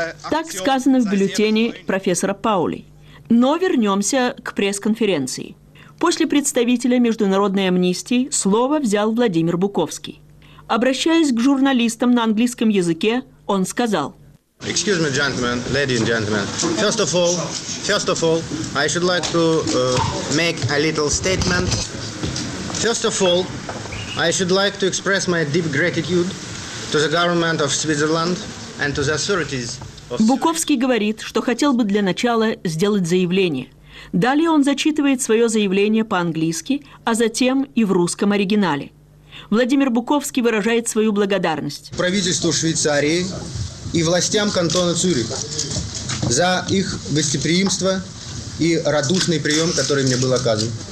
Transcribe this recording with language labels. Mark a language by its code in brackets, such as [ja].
[ru] Так сказано в бюллетене профессора Паули. Но вернемся к пресс-конференции. После представителя международной амнистии слово взял Владимир Буковский. Обращаясь к журналистам на английском языке, он сказал: [en] Excuse me, gentlemen, ladies and gentlemen. First of all, I should like to make a little statement. First of all, I should like to express my deep gratitude to the government of Switzerland and to the authorities of Switzerland. [ru] Буковский говорит, что хотел бы для начала сделать заявление. Далее он зачитывает свое заявление по-английски, а затем и в русском оригинале. Владимир Буковский выражает свою благодарность правительству Швейцарии и властям кантона Цюрих за их гостеприимство и радушный прием, который мне был оказан.